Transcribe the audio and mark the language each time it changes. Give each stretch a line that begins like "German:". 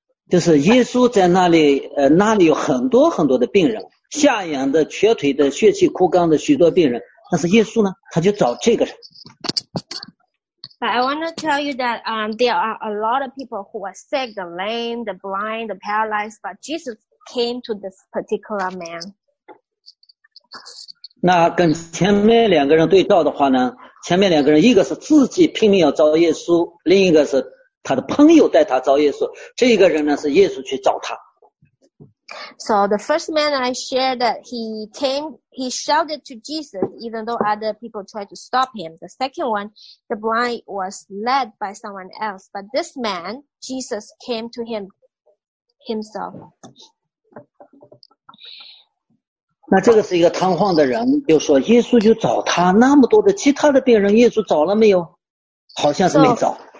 Chinese: 就是耶稣在那里那里有很多很多的病人瞎眼的瘸腿的血气枯干的许多病人但是耶稣呢他就找这个人。
English: But I want to tell you that, there are a lot of people who are sick, the lame, the blind, the paralyzed, but Jesus came to this particular man.
Chinese: 那跟前面两个人对照的话呢前面两个人一个是自己拼命要找耶稣另一个是他的朋友带他找耶稣这个人呢是耶稣去找他。
English: So the first man I shared that he shouted to Jesus even though other people tried to stop him. The second one, the blind was led by someone else. But this man, Jesus came to him himself.
Chinese: 那这个是一个瘫痪的人就说耶稣就找他那么多的其他的病人耶稣找了没有好像是没找。